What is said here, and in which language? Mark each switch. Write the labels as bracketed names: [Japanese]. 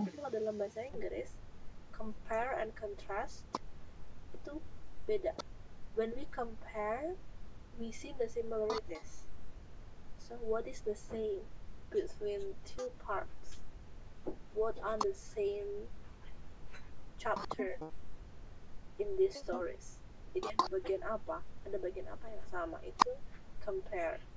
[Indonesian] Tapi kalau dalam bahasa Inggris, compare and contrast itu beda. [English] When we compare, we see the similarities. So what is the same between two parts? What are the same chapter in these stories? [Indonesian] Jadi ada bagian apa yang sama, itu compare.